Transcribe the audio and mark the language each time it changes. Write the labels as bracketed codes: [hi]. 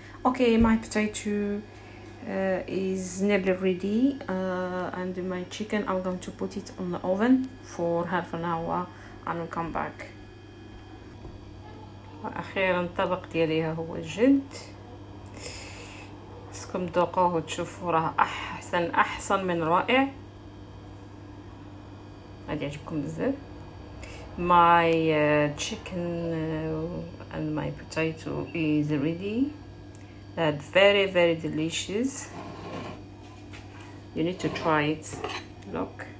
[en] Okay my potato is nearly ready and my chicken I'm going to put it on the oven for half an hour and we'll come back. [ar] اخيرا الطبق ديالي ها هو جد، خصكم تذوقوه وتشوفوا راه احسن من رائع، غادي يعجبكم بزاف. [en] My chicken and my potato is ready. That's very very delicious. You need to try it. Look.